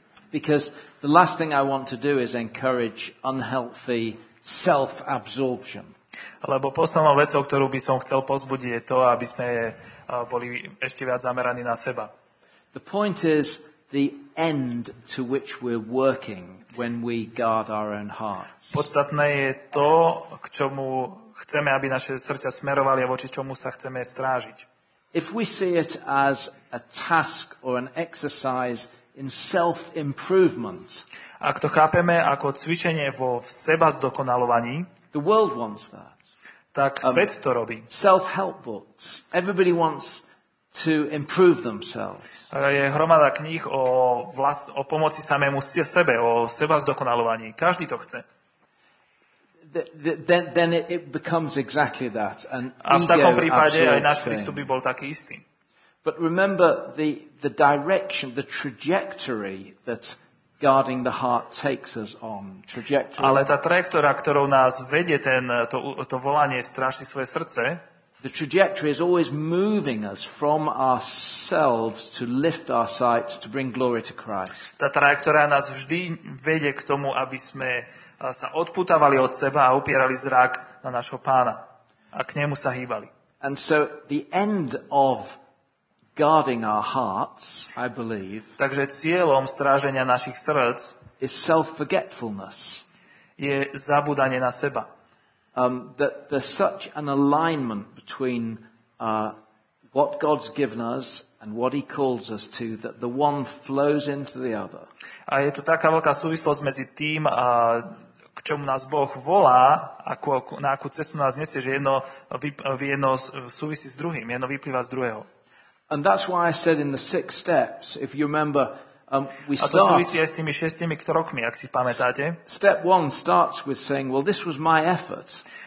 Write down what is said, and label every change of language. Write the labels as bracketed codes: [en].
[en] Because the last thing I want to do is encourage unhealthy self-absorption. [sk] Lebo poslednou vecou, ktorú by som chcel pozbudiť, je to, aby sme boli ešte viac zameraní na seba. [en] The point is the end to which we're working when we guard our own hearts. [sk] Podstatné je to, k čomu chceme, aby naše srdcia smerovali a voči čomu sa chceme strážiť. [en] If we see it as a task or an exercise in self-improvement, [sk] ak to chápeme ako cvičenie vo sebazdokonalovaní, [en] the world wants that. [sk] Tak svet to robí. [en] Self-help books. Everybody wants to improve themselves. [sk] Je hromada kníh o pomoci samému sebe, o sebazdokonalovaní. Každý to chce. [en] then it becomes exactly that. And [sk] a v takom prípade aj náš prístup by bol taký istý. [en] But remember the direction, the trajectory that guarding the heart takes us on. Trajectory. [sk] Ale tá trajektória, ktorou nás vedie ten, to volanie stráži svoje srdce. [en] The trajectory is always moving us from ourselves to lift our sights to bring glory to Christ. [sk] Tá trajektória nás vždy vedie k tomu, aby sme sa odputávali od seba a upierali zrak na nášho Pána a k nemu sa hýbali. [en] And so the end of guarding our hearts, I believe. [sk] Takže cieľom stráženia našich srdc [en] is self-forgetfulness. [sk] Je zabúdanie na seba. [en] That there's such an alignment between what God's given us and what he calls us to that the one flows into the other. [sk] A je to taká veľká súvislosť medzi tým, k čomu nás Boh volá, ako na akú cestu nás nesie, že jedno súvisí s druhým, jedno vyplýva z druhého. [en] And that's why I said in the six steps, if you remember, we start. [sk] A to súvisí aj s tými šestimi krokmi, ak si pamätáte. [en] Step one starts with saying, well, this was my effort.